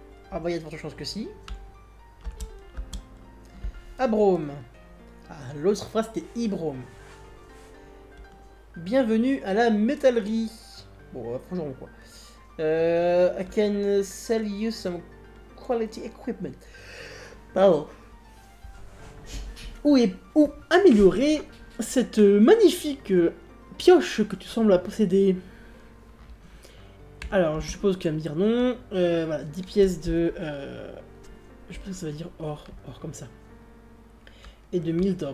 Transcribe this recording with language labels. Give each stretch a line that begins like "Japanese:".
French: Ah bah, il y a de fortes chances que si. Abrome. Ah, l'autre frère c'était Ibrome. Bienvenue à la métallerie. Bon, forgeron quoi.
English: I can sell you some quality equipment.
French: Pardon. Ou améliorer cette magnifique pioche que tu sembles posséder. Alors, je suppose que tu vas me dire non. Voilà, 10 pièces de... je pense que ça va dire or. Or, comme ça. Et de 1000 d'or.